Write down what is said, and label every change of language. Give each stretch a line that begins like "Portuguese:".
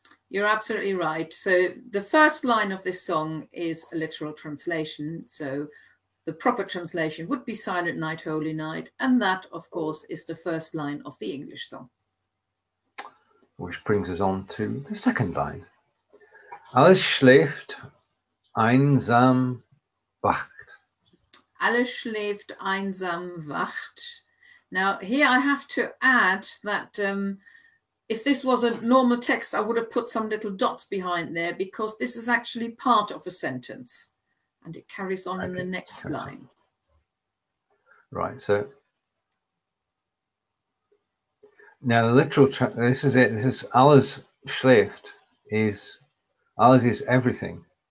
English: You're absolutely right. So the first line of this song is a literal translation. So the proper translation would be Silent Night, Holy Night. And that, of course, is the first line of the English song. Which brings us on to the second line.
German: Alles schläft einsam wacht. Alles schläft einsam wacht.
English: Now, here I have to add that if this was a normal text, I would have put some little dots behind there because this is actually part of a sentence. And it carries on in the next line. Right, so now the literal, this is it, this is
German: alles schläft,
English: is alles is everything.